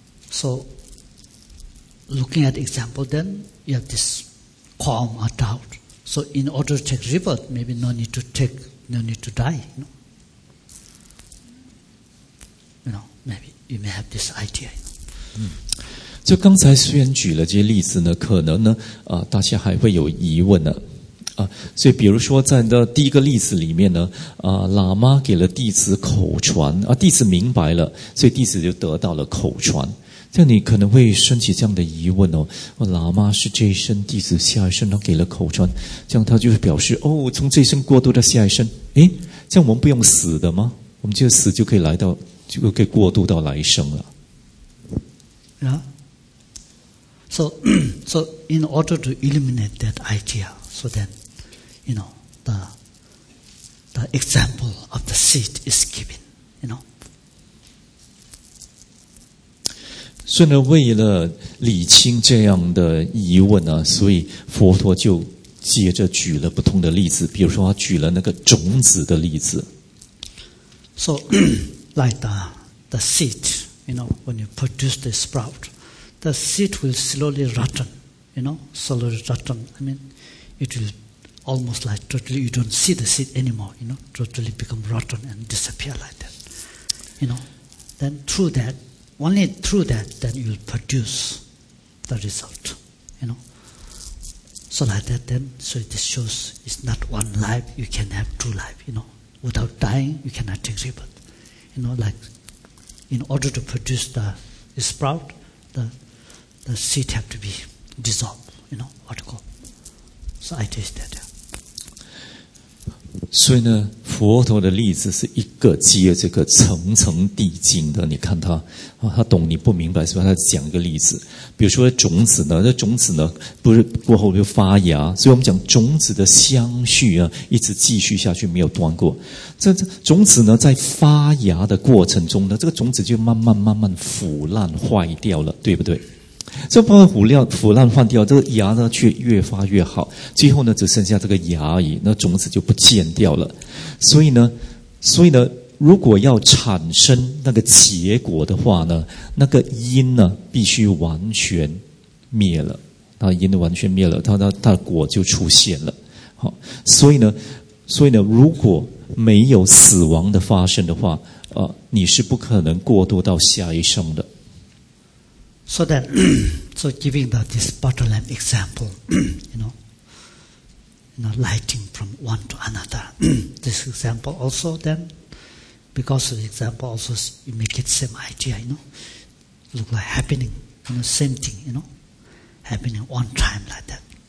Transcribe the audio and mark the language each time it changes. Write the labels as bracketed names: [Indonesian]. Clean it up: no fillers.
[English] So looking at example, then you have this. Calm or doubt. So in order to take rebirth, maybe no need to die. You know, maybe you may have this idea. You know. [Chinese] 就刚才虽然举了这些例子呢，可能呢，大家还会有疑问呢。所以比如说在第一个例子里面呢，喇嘛给了弟子口传，弟子明白了，所以弟子就得到了口传。这你可能会升起这样的疑问哦，喇嘛是这一生弟子下一生他给了口传，这样他就表示哦，从这一生过渡到下一生，诶，这样我们不用死的吗？我们就死就可以来到，就可以过渡到来生了。 Yeah. [English] So in order to eliminate that idea, so then, you know, the example of the seed is given. [Chinese] 所以呢，为了理清这样的疑问呢，所以佛陀就接着举了不同的例子，比如说他举了那个种子的例子。 [English] So, like the seed, you know, when you produce the sprout, the seed will slowly rotten, you know, slowly rotten. I mean, it will almost like totally, you don't see the seed anymore, you know, totally become rotten and disappear like that. You know, then through that,Only through that, then you'll produce the result, you know. So like that, then, so this shows it's not one life, you can have two lives, you know. Without dying, you cannot take rebirth. You know, like, in order to produce the sprout, the seed have to be dissolved, you know, what to call. So I taste that, yeah. [Chinese] 所以呢，佛陀的例子是一个接这个层层递进的。你看他，他懂你不明白，所以他讲一个例子。比如说种子呢，那种子呢，不是过后就发芽，所以我们讲种子的相续啊，一直继续下去，没有断过。这种子呢，在发芽的过程中呢，这个种子就慢慢腐烂坏掉了，对不对？这包括腐烂换掉，这个芽呢却越发越好，最后呢只剩下这个芽而已，那种子就不见掉了。所以呢如果要产生那个结果的话呢，那个因呢必须完全灭了，它因完全灭了，它的果就出现了。好，所以呢如果没有死亡的发生的话，你是不可能过渡到下一生的。 [English] So then, so giving the, this butter lamp example, you know, lighting from one to another, this example also then, because of the example also, you make it same idea, you know, look like happening, you know, same thing, you know, happening one time like that.